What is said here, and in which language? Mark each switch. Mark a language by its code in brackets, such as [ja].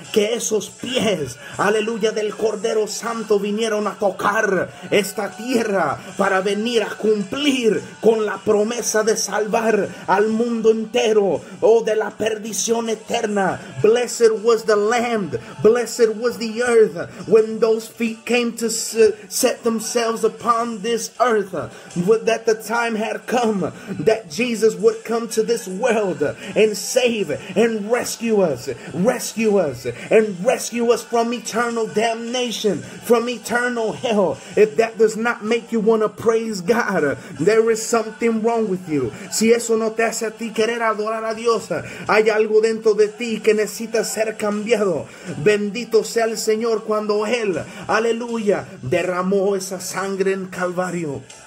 [es] Que esos pies, aleluya, del Cordero Santo vinieron a tocar esta tierra para venir a cumplir con la promesa de salvar al mundo entero, oh, de la perdición eterna. [en] Blessed was the land, blessed was the earth when those feet came to set themselves upon this earth, that the time had come that Jesus would come to this world and save and rescue us from eternal damnation, from eternal hell. If that does not make you want to praise God, there is something wrong with you. [es] Si eso no te hace a ti querer adorar a Dios, hay algo dentro de ti que necesita ser cambiado. Bendito sea el Señor cuando Él, aleluya, derramó esa sangre en Calvario.